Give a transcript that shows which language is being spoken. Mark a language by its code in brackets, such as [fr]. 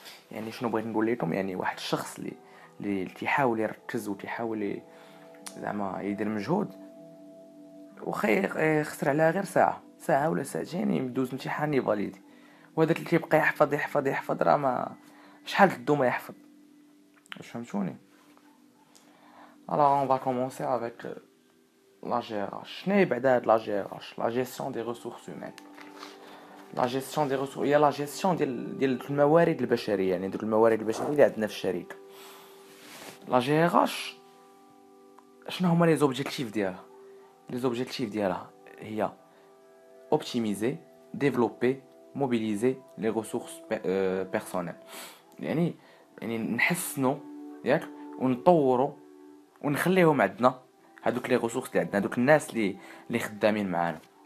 [ar] يعني شنو بغيت نقول لكم؟ يعني واحد الشخص اللي تيحاول يركز وتيحاول زعما يدير مجهود واخا يخسر عليها غير ساعة ولا ساعتين يدوز امتحان يفاليدي، وهذاك اللي يبقى يحفظ راه ما شحال تدو ما يحفظ. واش فهمتوني؟ [fr] alors on va commencer avec la GRH. [ar] شنو هي بعدا هاد لا GRH؟ لا جيستيون دي ريسورس هومان. لا جيستيون دي ريسورس هي لا جيستيون ديال الموارد البشريه، يعني دوك الموارد البشريه اللي عندنا في الشركه. لا GRH شنو هما لي زوبجيكتيف ديالها؟ لي زوبجيكتيف ديالها هي اوبتيميزي ديفلوبي موبيليزي لي ريسورس بيرسونيل، يعني نحسنوا ياك ونطوروا ونخليهم عندنا هذوك لي ريسورس اللي عندنا، دوك الناس اللي خدامين معانا.